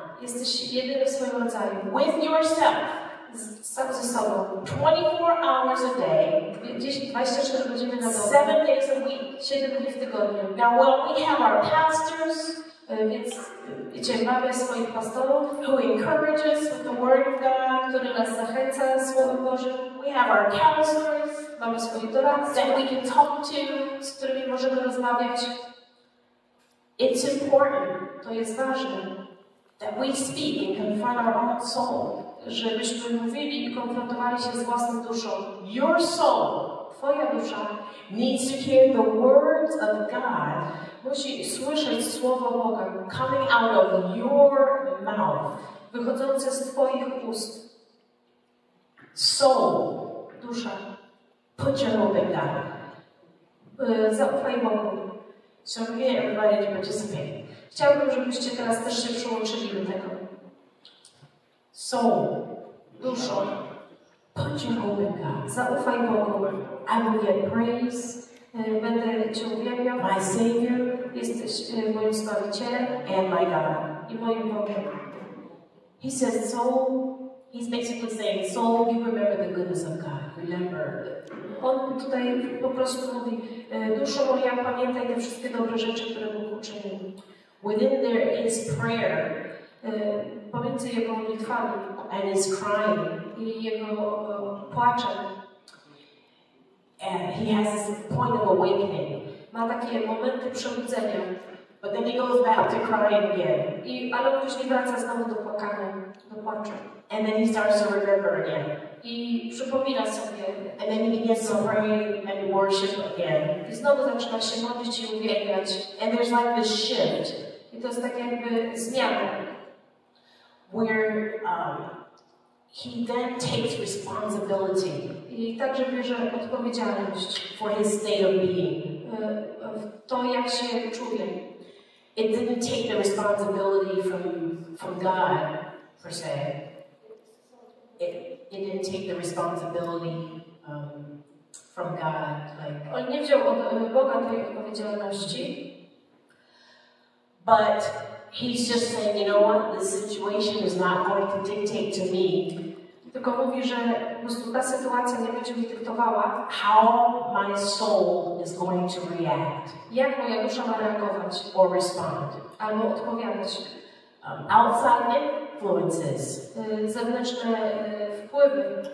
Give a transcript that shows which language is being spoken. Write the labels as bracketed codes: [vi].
[pl] Jesteś jedyny w swoim rodzaju. [en] With yourself. [pl] Sam ze sobą. [en] 24 hours a day. [pl] 24 godziny na dobę. [en] 7 days a week. [pl] 7 dni w tygodniu. [en] Now when we have our pastors. [pl] Więc mamy swoich pastorów. [en] Who encourage us with the word of God. [pl] Który nas zachęca słowem Bożym. [en] We have our counselors. [pl] Mamy swoich doradców. [en] That we can talk to. [pl] Z którymi możemy rozmawiać. [en] It's important. [pl] To jest ważne. [en] That we speak and confront our own soul. [pl] Żebyśmy mówili i konfrontowali się z własną duszą. [en] Your soul. [pl] Twoja dusza. [en] Needs to hear the words of God. [pl] Musi słyszeć słowo Boga. [en] Coming out of your mouth. [pl] Wychodzące z twoich ust. [en] Soul. [pl] Dusza. [en] Put your hope in God. [pl] Zaufaj Bogu. [en] So we get everybody to participate. [pl] Chciałbym, żebyście teraz też się przyłączyli do tego. [en] Soul. [pl] Duszo. [en] Put your hope in God. [pl] Zaufaj Bogu. [en] I will get praise. [pl] Będę Cię uwielbiał. [en] My Savior. [pl] Jesteś moim Zbawicielem. [en] And my God. [pl] I moim Bogiem. [en] He says soul. He's basically saying, soul, you remember the goodness of God. Remember. [pl] On tutaj po prostu mówi, duszo moja, pamiętaj te wszystkie dobre rzeczy, które Bóg uczynił. [en] Within there is prayer. [pl] Pomiędzy jego modlitwami. [en] And his crying. [pl] I jego płaczem. [en] And he has this point of awakening. [pl] Ma takie momenty przebudzenia. [en] But then he goes back to crying again. [pl] I, ale później wraca znowu do płakania, do płaczu. [en] And then he starts to remember again. [pl] I przypomina sobie. [en] And then he begins to pray and worship again. [pl] I znowu zaczyna się modlić i uwielbiać. [en] And there's like this shift. [pl] I to jest takie jakby zmiana. [en] Where he then takes responsibility. [pl] I także bierze odpowiedzialność. [en] For his state of being. [pl] W to jak się czuje. [en] It didn't take the responsibility from God, per se. It didn't take the responsibility from God, like. [pl] On nie wziął od Boga tej odpowiedzialności. [en] But he's just saying, you know what? The situation is not going to dictate to me. [pl] Tylko mówi, że ta sytuacja nie będzie mi dyktowała. [en] How my soul is going to react? [pl] Jak moja dusza ma reagować? [en] Or respond? [pl] Albo odpowiadać? [en] Outside influences. [pl] Zewnętrzne wpływy.